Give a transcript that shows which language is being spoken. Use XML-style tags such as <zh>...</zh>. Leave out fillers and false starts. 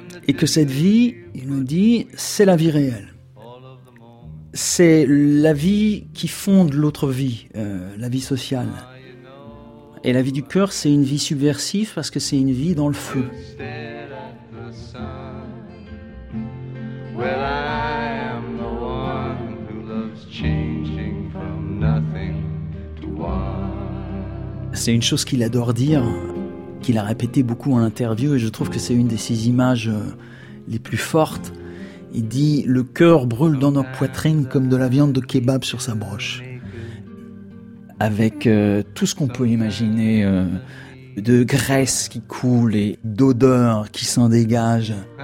<fr>Et que cette vie, il nous dit, c'est la vie réelle. C'est la vie qui fonde l'autre vie, la vie sociale. Et la vie du cœur, c'est une vie subversive parce que c'est une vie dans le feu.</fr> <en>Well, I am the one who loves changing from nothing to one.</en> <fr>C'est une chose qu'il adore dire, qu'il a répété beaucoup en interview, et je trouve que c'est une de ses images les plus fortes. Il dit « Le cœur brûle dans notre poitrine comme de la viande de kebab sur sa broche. » Avec tout ce qu'on peut imaginer de graisse qui coule et d'odeur qui s'en dégage.</fr>